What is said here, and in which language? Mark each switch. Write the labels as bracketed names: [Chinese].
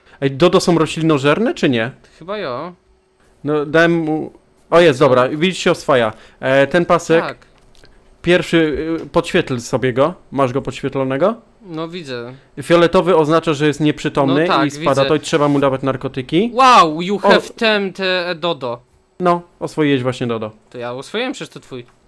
[Polish] Dodo są roślinożerne, czy nie? Chyba jo. No, dałem mu... O jest, dobra, widzisz, się oswaja. Ten pasek, tak. Pierwszy, podświetl sobie go. Masz go podświetlonego? No widzę. Fioletowy oznacza, że jest nieprzytomny, no, tak, i spada, widzę. To i trzeba mu dawać narkotyki. [English] Wow, you have tempted Dodo. [Polish] No, oswoiłeś właśnie Dodo. To ja oswoiłem, przecież to twój.